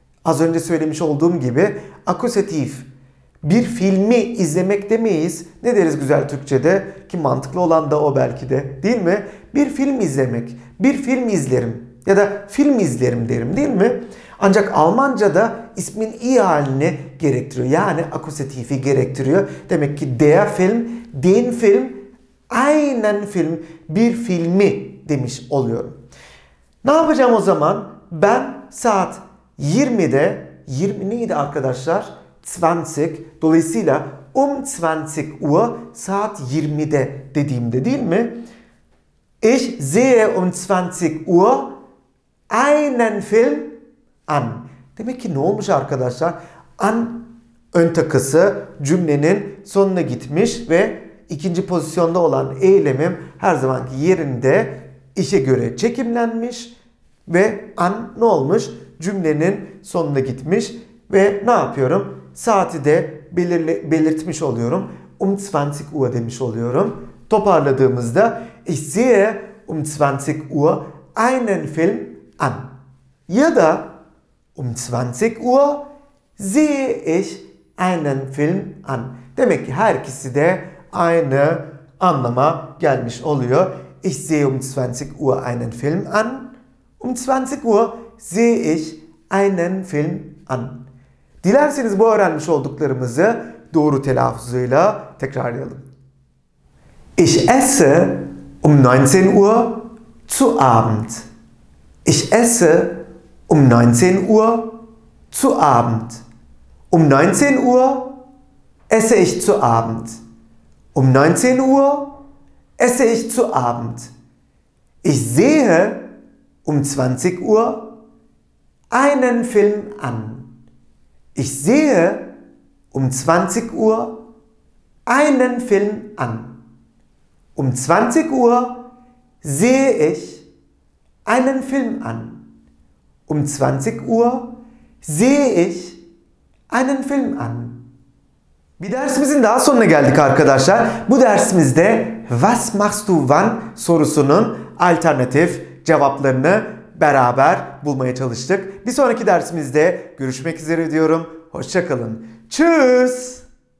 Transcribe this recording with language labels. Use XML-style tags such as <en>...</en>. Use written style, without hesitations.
<tr>Az önce söylemiş olduğum gibi akusatif. Bir filmi izlemek demeyiz. Ne deriz güzel Türkçe'de? Ki mantıklı olan da o belki de değil mi? Bir film izlemek. Bir film izlerim. Ya da film izlerim derim değil mi? Ancak Almanca'da ismin i halini gerektiriyor. Yani akusatifi gerektiriyor. Demek ki</tr> <de>der Film, den Film, einen Film.</de> <tr>Bir filmi demiş oluyorum. Ne yapacağım o zaman? Ben saat 20'de, 20 neydi arkadaşlar? 20. Dolayısıyla 20 Uhr saat 20'de dediğimde değil mi?</tr> <de>Ich sehe 20 Uhr einen Film an.</de> <tr>Demek ki ne olmuş arkadaşlar? An ön takısı cümlenin sonuna gitmiş ve ikinci pozisyonda olan eylemim her zamanki yerinde işe göre çekimlenmiş. Ve an ne olmuş? Cümlenin sonuna gitmiş. Ve ne yapıyorum? Saati de belirtmiş oluyorum. 20 Uhr demiş oluyorum. Toparladığımızda</tr> <de>ich sehe 20 Uhr einen Film an.</de> <tr>Ya da</tr> <de>20 Uhr sehe ich einen Film an.</de> <tr>Demek ki her ikisi de aynı anlama gelmiş oluyor.</tr> <de>Ich sehe 20 Uhr einen Film an. 20 Uhr sehe ich einen Film an.</de> <tr>Dilerseniz bu öğrenmiş olduklarımızı doğru telaffuzuyla tekrarlayalım.</tr> <de>Ich esse 19 Uhr zu Abend. Ich esse 19 Uhr zu Abend. 19 Uhr esse ich zu Abend. 19 Uhr esse ich zu Abend. Ich sehe 20 Uhr einen Film an. Ich sehe 20 Uhr einen Film an. 20 Uhr sehe ich einen Film an. 20 Uhr sehe ich einen Film an.</de> <tr>Bir dersimizin daha sonuna geldik arkadaşlar. Bu dersimizde</tr> <de>Was machst du wann</de> <tr>sorusunun alternatif cevaplarını beraber bulmaya çalıştık. Bir sonraki dersimizde görüşmek üzere diyorum. Hoşça kalın.</tr> <de>Tschüss.</de>